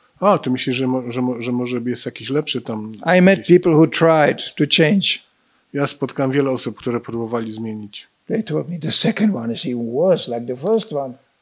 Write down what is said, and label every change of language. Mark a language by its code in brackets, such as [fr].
[pl] A, ty myślisz, że może jest jakiś lepszy tam. [en] I met people who tried to change. [pl] Ja spotkałem wiele osób, które próbowali zmienić. [en] They told me the second one is even worse like the first one.